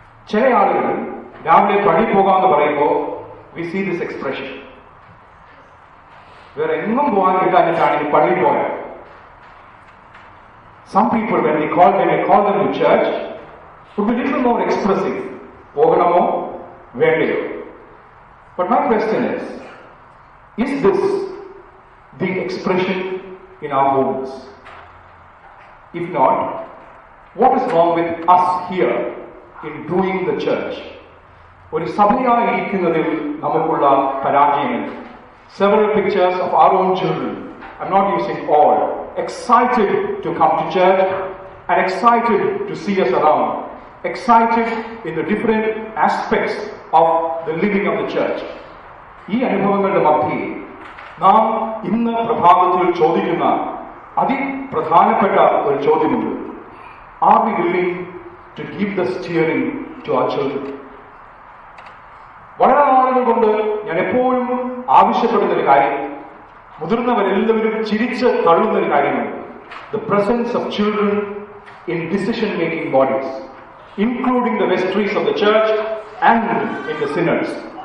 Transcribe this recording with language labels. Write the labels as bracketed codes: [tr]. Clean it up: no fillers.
[ml] ചില ആളുകൾ രാവിലെ പള്ളി പോകാമെന്ന് പറയുമ്പോ [en] We see this expression. [ml] വേറെ എങ്ങും പോകാൻ കിട്ടാനിട്ടാണ് ഈ പള്ളി പോയത്. [en] Some people when they call they call the church would be little more expressive. [ml] പോകണമോ വേണ്ടയോ? [en] But my question is this the expression in our homes? If not, what is wrong with us here in doing the church? [ml] ഒരു സഭയായി ഇരിക്കുന്നതിൽ നമുക്കുള്ള പരാജയങ്ങൾ. [en] Several pictures of our own children, I'm not using all, excited to come to church and excited to see us around, excited in the different aspects of the living of the church. [ml] ഈ അനുഭവങ്ങളുടെ മധ്യേ നാം ഇന്ന് പ്രഭാതത്തിൽ ചോദിക്കുന്ന അതിപ്രധാനപ്പെട്ട ഒരു ചോദ്യമുണ്ട്. [en] Are we willing to give the steering to our children? [ml] വളരെ നാളുകൾ കൊണ്ട് ഞാൻ എപ്പോഴും ആവശ്യപ്പെടുന്ന ഒരു കാര്യം, മുതിർന്നവരെല്ലാവരും ചിരിച്ച് തള്ളുന്ന ഒരു കാര്യമാണ്, [en] The presence of children in decision making bodies including the vestries of the church and in the synods.